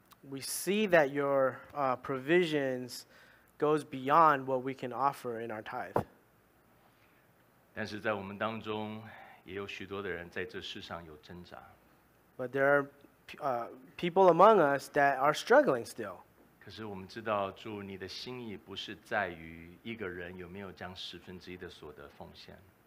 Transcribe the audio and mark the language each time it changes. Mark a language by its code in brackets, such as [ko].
[en] We see that your provisions goes beyond what we can offer in our tithe. [zh] 但是在我们当中也有许多的人在这世上有挣扎。 [en] But there are people among us that are struggling still. [zh] 可是我们知道主你的心意不是在于一个人有没有将十分之一的所得奉献。